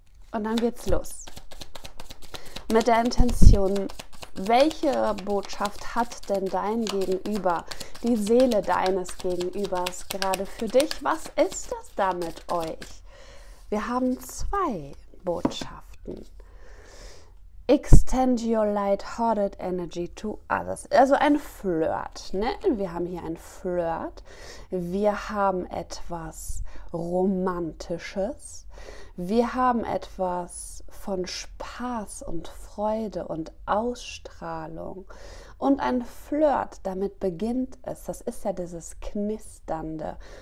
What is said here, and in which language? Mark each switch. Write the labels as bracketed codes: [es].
[de] Und dann geht's los. Mit der Intention, welche Botschaft hat denn dein Gegenüber, die Seele deines Gegenübers gerade für dich? Was ist das da mit euch? Wir haben zwei Botschaften. [en] Extend your light-hearted energy to others. [de] Also ein Flirt, ne? Wir haben hier ein Flirt. Wir haben etwas Romantisches. Wir haben etwas von Spaß und Freude und Ausstrahlung. Und ein Flirt, damit beginnt es. Das ist ja dieses Knisternde.